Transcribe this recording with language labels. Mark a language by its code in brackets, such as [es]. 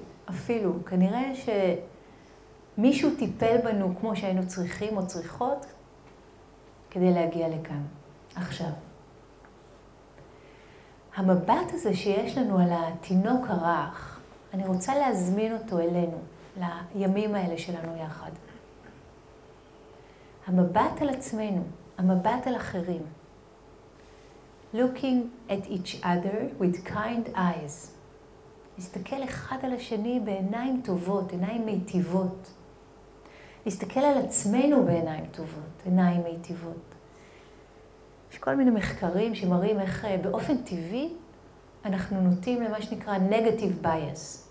[he] אפילו, כנראה ש... מישהו טיפל בנו כמו שהיינו צריכים או צריכות כדי להגיע לכאן, עכשיו. המבט הזה שיש לנו על התינוק הרך, אני רוצה להזמין אותו אלינו, לימים האלה שלנו יחד. המבט על עצמנו, המבט על אחרים. [en] Looking at each other with kind eyes. [he] מסתכל אחד על השני בעיניים טובות, עיניים מיטיבות. להסתכל על עצמנו בעיניים טובות, עיניים מיטיבות. יש כל מיני מחקרים שמראים איך באופן טבעי אנחנו נוטים למה שנקרא negative bias.